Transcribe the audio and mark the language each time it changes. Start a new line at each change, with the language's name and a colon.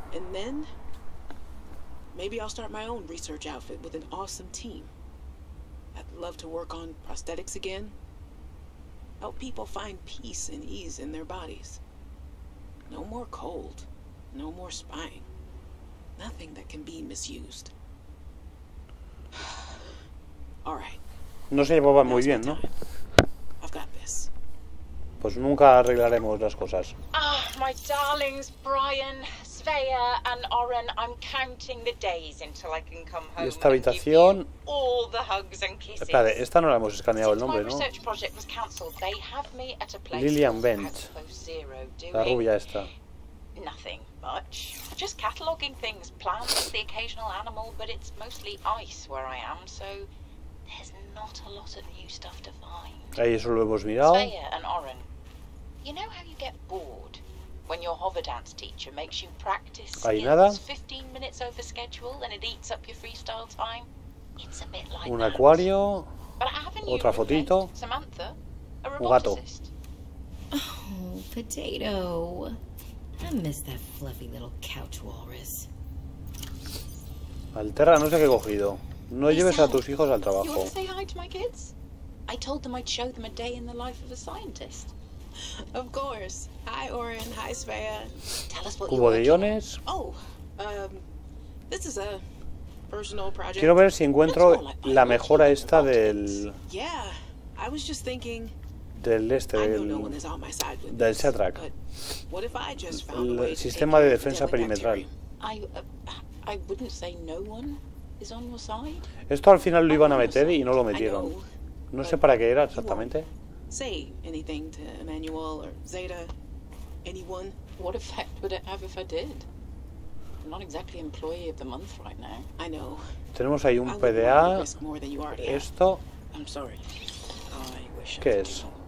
English: And then maybe I'll start my own research outfit with an awesome team. I'd love to work on prosthetics again. Help people find peace and ease in their bodies. No more cold. No more spying. Nothing that can be misused.
Spanish: No se llevaba muy bien, ¿no? Pues nunca arreglaremos las cosas.
English: Ah, my darlings, Brian, Svea and Oren, I'm counting the days until I can come home.
Spanish: Y esta habitación.
English: All the hugs and kisses.
Spanish: Espérate, esta no la hemos escaneado el nombre, ¿no?
English: Research project was cancelled. They have me at a place.
Spanish: Lillian Bent. La rubia esta.
English: Nothing much. Just cataloging things, plants, the occasional animal, but it's mostly ice where I am, so there's not a lot of new stuff to find.
Spanish: Ahí eso lo hemos mirado.
English: Svea and Oren. You know how you get bored when your hover dance teacher makes you practice skills 15 minutes over schedule and it eats up your freestyle time? It's a bit like
Spanish: un acuario,
English: that.
Spanish: Otra fotito. Samantha, a un gato.
English: Oh, potato. I miss that fluffy little couch walrus.
Spanish: Alterra, no sé qué he cogido. No lleves a tus hijos al trabajo.
English: You want to say hi to my kids? I told them I'd show them a day in the life of a scientist. Of course. Hi, Oren. Hi, Svea. Tell us what
Spanish: cubo de iones.
English: Oh, this is a personal project.
Spanish: Quiero ver si encuentro la mejora esta del.
English: Yeah, I was just thinking.
Spanish: Del este, del. Del Seatrack. El sistema de defensa perimetral.
English: I wouldn't say no one is on your side.
Spanish: Esto al final lo iban a meter y no lo metieron. No sé para qué era exactamente.
English: Say anything to Emmanuel or Zeta, anyone. What effect would it have if I did? I'm not exactly employee of the month right now. I know.
Spanish: Tenemos ahí un PDA. Esto.
English: I'm sorry. I wish.
Spanish: ¿Qué es?